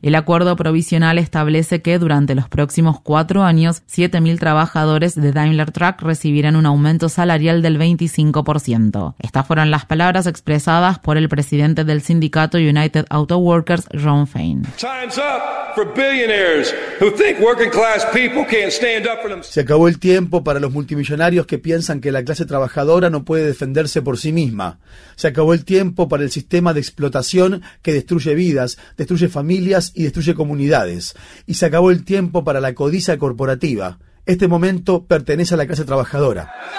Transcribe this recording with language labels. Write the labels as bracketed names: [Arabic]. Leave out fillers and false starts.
[Spanish] El acuerdo provisional establece que durante los próximos 4 años, 7.000 trabajadores de Daimler Truck recibirán un aumento salarial del 25%. Estas fueron las palabras expresadas por el presidente del sindicato United Auto Workers, Ron Fain. [English] Time's up for billionaires. Who think working class people can't stand up for them. [Spanish] Se acabó el tiempo para los multimillonarios que piensan que la clase trabajadora no puede defenderse por sí misma. Se acabó el tiempo para el sistema de explotación que destruye vidas, destruye familias y destruye comunidades. Y se acabó el tiempo para la codicia corporativa. Este momento pertenece a la clase trabajadora.